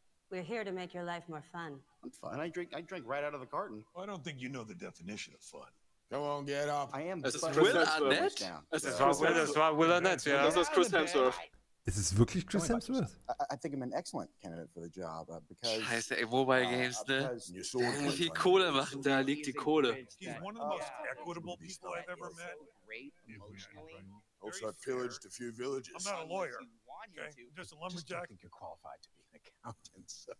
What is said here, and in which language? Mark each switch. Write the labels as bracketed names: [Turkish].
[English] We're here to make your life more fun. I'm fine. I drink right out of the carton. I don't think you know the definition of fun. Come on, get up. I am. [German] Es ist Will Arnett. Das ist Chris Hemsworth. Ist es wirklich Chris Hemsworth? [English] I think I'm an excellent candidate for the job because [German] Scheiße, ey, Mobile Games, ne? Wie viel Kohle machen, da liegt die Kohle. [English] He's one of the most equitable people I've ever met. Also, I've pillaged a few villages. I'm not a lawyer. Okay, just a lumberjack. I think you're qualified to be an accountant.